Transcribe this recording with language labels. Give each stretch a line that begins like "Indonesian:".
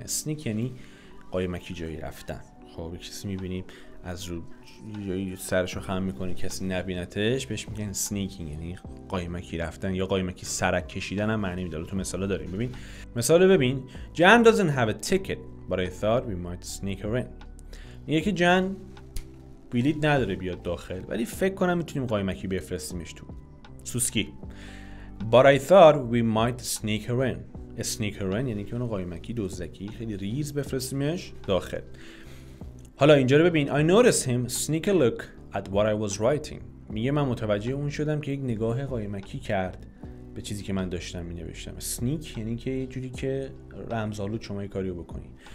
Persian: اسنیک یعنی قایمکی جایی رفتن. خب کسی میبینیم از رو جایی سرشو خم میکنه کسی نبینتش، بهش میگن سنیکینگ، یعنی قایمکی رفتن یا قایمکی سرک کشیدن هم معنی میداره. تو مثالا داریم، ببین مثال، ببین جان
English: doesn't have a ticket but I thought we might sneak her in.
Persian: میگه که جان بلیط نداره بیاد داخل، ولی فکر کنم میتونیم قایمکی بفرستیمش تو. سوسکی،
English: but I thought we might sneak her in. sneak her in
Persian: یعنی که اونو قایمکی دوزکی خیلی ریز بفرستیمش داخل. حالا اینجا رو ببین،
English: I noticed him sneak a look at what I was writing.
Persian: میگه من متوجه اون شدم که یک نگاه قایمکی کرد به چیزی که من داشتم مینوشتم. sneak یعنی که یه جوری که رمزآلود شما یک کاری رو بکنی.